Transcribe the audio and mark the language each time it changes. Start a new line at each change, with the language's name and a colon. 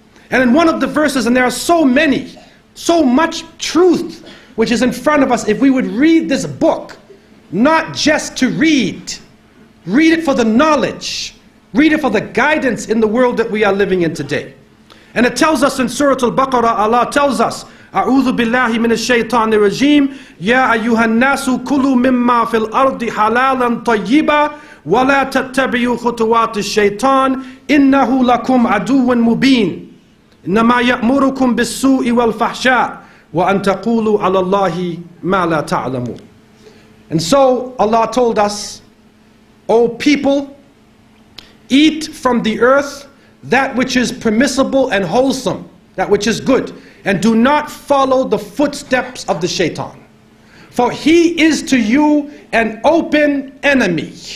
English: And in one of the verses, and there are so many, so much truth which is in front of us, if we would read this book, not just to read, read it for the knowledge, read it for the guidance in the world that we are living in today. And it tells us in Surah Al-Baqarah, Allah tells us,
Arabic: أعوذ بالله من الشيطان الرجيم يا أيها الناس كلوا مما في الأرض حلالا طيبا ولا تتبعوا خطوات الشيطان إنه لكم عدو مبين إنما يأمركم بالسوء والفحشاء وأن تقولوا على الله ما لا تعلمون.
English: And so Allah told us, O people, eat from the earth that which is permissible and wholesome, that which is good, and do not follow the footsteps of the shaitan. For he is to you an open enemy.